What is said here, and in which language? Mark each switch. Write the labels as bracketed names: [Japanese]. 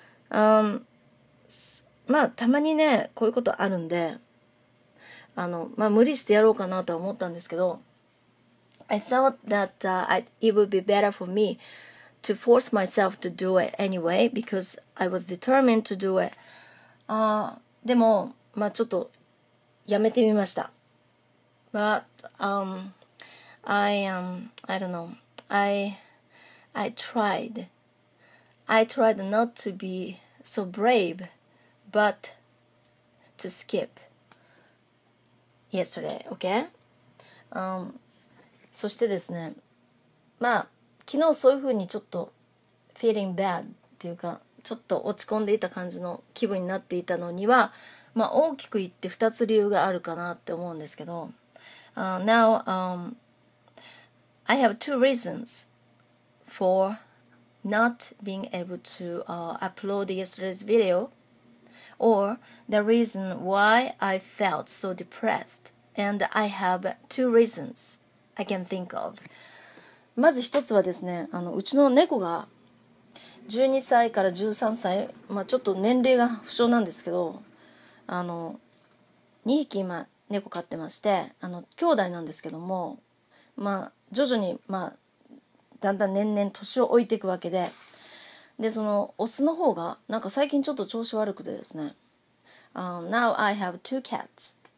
[Japanese] まあ、たまにね、こういうことあるんで、まあ、無理してやろうかなとは思ったんですけど、 [English] I thought that it would be better for me to force myself to do it anyway because I was determined to do it. [Japanese] でも、まあ、ちょっとやめてみました。 [English] But I tried not to be so brave, but to skip yesterday, okay? [Japanese] そしてですね、まあ昨日そういう風にちょっと [English] feeling bad [Japanese] っていうか、ちょっと落ち込んでいた感じの気分になっていたのには、まあ大きく言って2つ理由があるかなって思うんですけど。 [English] Now, I have two reasons for not being able to upload yesterday's video, or the reason why I felt so depressed. And I have two reasons I can think of. [Japanese] まず一つはですね、うちの猫が12歳から13歳、まあ、ちょっと年齢が不詳なんですけど、2匹今、猫飼ってまして、兄弟なんですけども、まあ、徐々に、まあ、だんだん年々年を置いていくわけで、で、その、オスの方が、なんか最近ちょっと調子悪くてですね、 [English] Now I have two cats.